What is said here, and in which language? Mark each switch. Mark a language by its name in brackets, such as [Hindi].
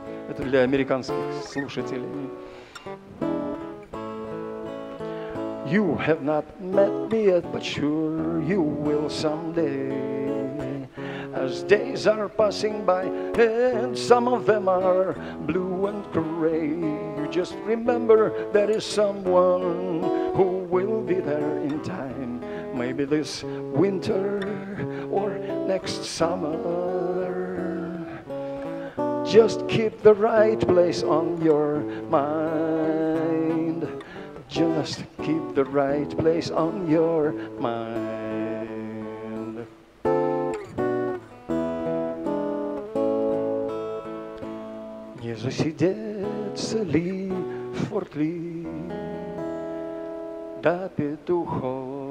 [Russian] Это для американских слушателей. [English] You have not met me yet, but sure you will someday. As days are passing by, and some of them are blue and gray, you just remember there is someone who will be there in time. Maybe this winter or next summer. Just keep the right place on your mind. Just keep the right place on your mind. [Russian] Не засидеться ли в Форт-Ли до петухов?